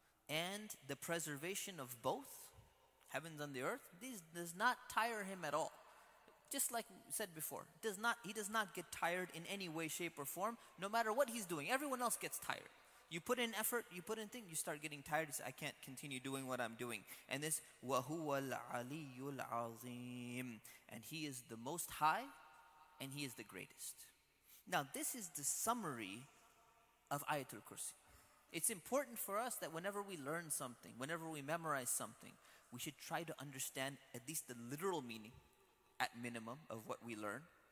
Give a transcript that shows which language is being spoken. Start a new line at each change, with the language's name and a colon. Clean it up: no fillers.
English: And the preservation of both, heavens and the earth, these does not tire Him at all. Just like we said before, he does not get tired in any way, shape or form, no matter what He's doing. Everyone else gets tired. You put in effort, you put in things, you start getting tired. You say, I can't continue doing what I'm doing. And this,
Arabic: وَهُوَ الْعَلِيُّ الْعَظِيمُ.
English: And He is the most high and He is the greatest. Now this is the summary of Ayatul Kursi. It's important for us that whenever we learn something, whenever we memorize something, we should try to understand at least the literal meaning at minimum of what we learn.